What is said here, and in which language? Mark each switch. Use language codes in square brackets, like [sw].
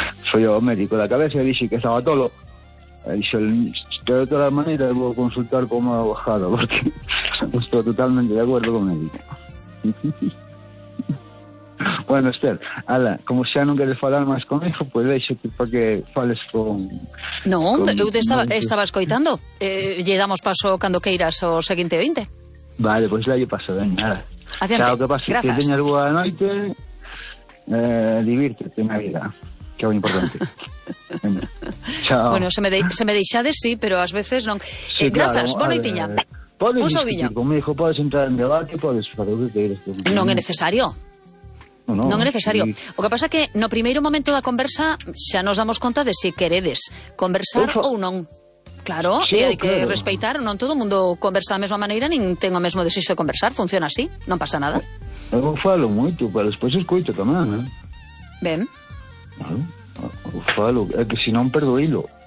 [es] Soy yo médico de la cabeza y dije que estaba tolo. De todas las maneras voy a consultar cómo ha bajado porque estoy totalmente de acuerdo con él. [gl] Bueno, Esther, ala, como xa non queres falar máis conmigo, pues deixo para que fales con... Non, tú estabas coitando. Lle damos paso cando queiras o seguinte 20. Vale, pois pues, lle paso, ven, ala. Adiante, que pase, grazas. Que teñas boa noite, divírtete na vida. Que é o importante. Chao. Bueno, se me deixades, sí, pero ás veces non. Sí, grazas, claro. Boniteña. Un saudiño. Conmigo podes entrar en debate, podes fazer o que queiras. Non é necesario. Non é necesario. Sí. O que pasa é que no primeiro momento da conversa xa nos damos conta de se queredes conversar ou non. Claro, sí, hai que respeitar. Non todo mundo conversa da mesma maneira, nin ten o mesmo desexo de conversar. Funciona así, non pasa nada. Eu falo moito, pero despois escoito tamén, ¿eh? Ben. Eu falo, é que senón perdo hilo.